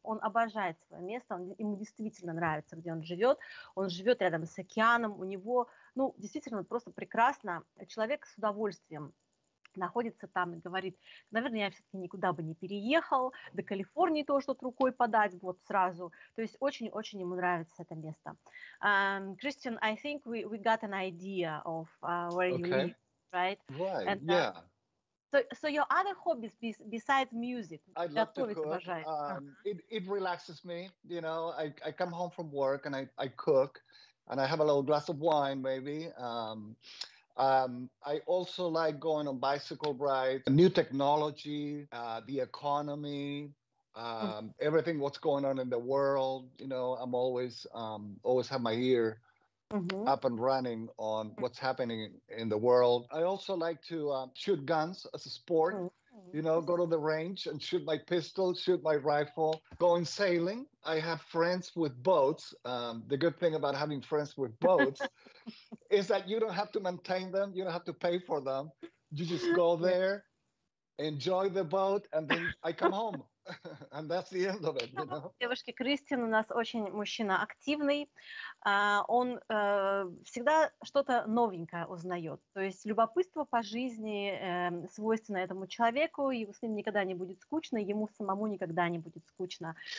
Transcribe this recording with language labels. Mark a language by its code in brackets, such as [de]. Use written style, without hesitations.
[ru] Он обожает свое место, ему действительно нравится, где он живет рядом с океаном, у него, ну, действительно просто прекрасно, человек с удовольствием находится там и говорит, наверное, я все-таки никуда бы не переехал, до Калифорнии тоже тут рукой подать, вот сразу. То есть очень-очень ему нравится это место. [en] Кристиан, I think we got an idea of where you live, right? Right, and, So your other hobbies besides music? I love to cook. It relaxes me, you know. I come home from work and I cook and I have a little glass of wine maybe. I also like going on bicycle rides, new technology, the economy, everything what's going on in the world. You know, I'm always have my ear up and running on what's happening in the world. I also like to shoot guns as a sport, you know, go to the range and shoot my pistol, shoot my rifle, going sailing. I have friends with boats. The good thing about having friends with boats is that you don't have to maintain them. You don't have to pay for them. You just go there, enjoy the boat, and then I come home. And that's the end of it, you know? [ru] Девушки, Кристиан у нас очень мужчина активный. Он всегда что-то новенькое узнает. То есть любопытство по жизни свойственно этому человеку, и с ним никогда не будет скучно, ему самому никогда не будет скучно.